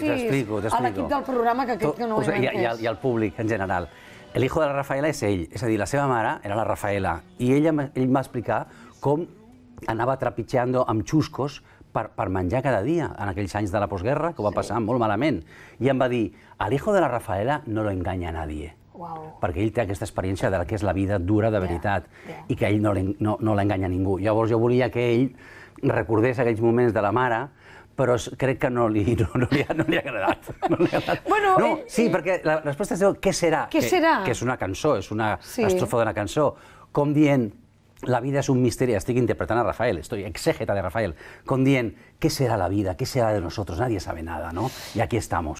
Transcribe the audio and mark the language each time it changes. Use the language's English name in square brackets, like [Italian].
[Catalan] sí, t'explico. A l'equip del programa, que crec que no ho hem entès. I al públic, en general. [Spanish] El hijo de la Rafaela [Catalan] és ell, és a dir, la seva mare era la Rafaela, i ell m'ha explicat com anava trepitjando amb xuscos per menjar cada dia, en aquells anys de la postguerra, que ho va passar molt malament. I em va dir, [Spanish] al hijo de la Rafaela no lo engaña a nadie. Wow. [Catalan] Perquè ell té aquesta experiència de la que és la vida dura de veritat, i que ell no l'enganya ningú. Llavors jo volia que ell recordés aquells moments de la mare, però crec que no li ha agradat. Bueno, no, sí, perquè la resposta és què serà. Què serà? Que és una cançó, és una estrofa d'una cançó. Com dient... La vida és un misteri, estic interpretant a Rafael, [Spanish] estoy exégeta de Rafael, con dient, ¿qué será la vida? ¿Qué será de nosotros? Nadie sabe nada, ¿no? Y aquí estamos.